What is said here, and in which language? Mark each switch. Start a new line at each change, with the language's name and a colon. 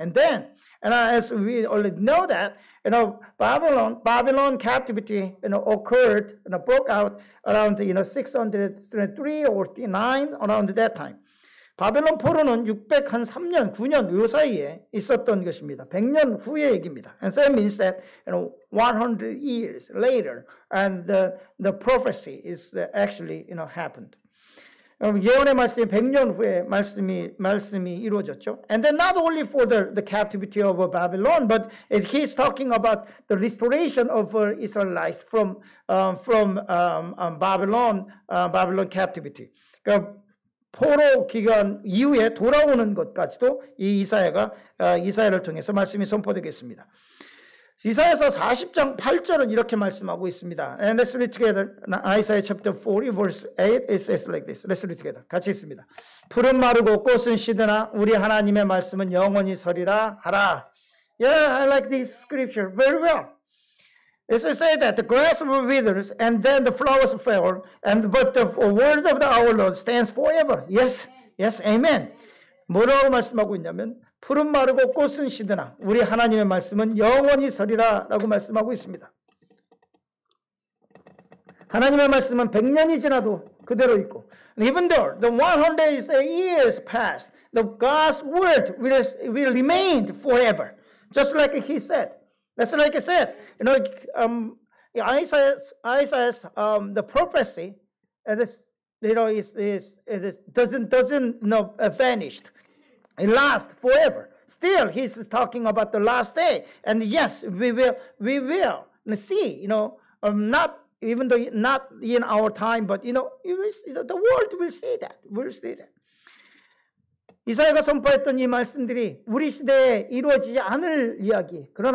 English: And then, and as we already know that, you know, Babylon captivity, you know, occurred, you know, broke out around, you know, 603 or 9 around that time.
Korean: 바벨론 포로는 603년, 9년 요 사이에 있었던 것입니다. 100년 후의 얘기입니다.
English: And so it means that, you know, 100 years later, and the prophecy is actually, you know, happened.
Korean: 예언의 말씀이 100년 후에 말씀이 이루어졌죠.
English: And then not only for the captivity of Babylon, but he's talking about the restoration of Israelites from Babylon captivity.
Korean: 그러니까 포로 기간 이후에 돌아오는 것까지도 이 이사야를 통해서 말씀이 선포되겠습니다. 이사야서 40장 8절은 이렇게 말씀하고 있습니다.
English: And let's read together. Isaiah chapter 40 verse 8 it says like this. Let's read together.
Korean: 같이 읽습니다. 풀은 마르고 꽃은 시드나 우리 하나님의 말씀은 영원히 서리라 하라.
English: Yeah, I like this scripture very well. It says that the grass withers and then the flowers fail, and but the word of our Lord stands forever. Yes, yes, amen.
Korean: 뭐라고 말씀하고 있냐면 푸른 마르고 꽃은 시드나 우리 하나님의 말씀은 영원히 서리라라고 말씀하고 있습니다. 하나님의 말씀은 100년이 지나도 그대로 있고,
English: even though the 100 years passed, the God's word will remain forever, just like He said. That's like I said. You know, Isaiah's the prophecy, vanished. It lasts forever. Still, he's talking about the last day. And yes, we will see. You know, not in our time, but you know, you will see, the world will see that. We'll see that.
Korean: 이사야가 선포했던 이 말씀들이 우리 시대에 이루어지지 않을 이야기.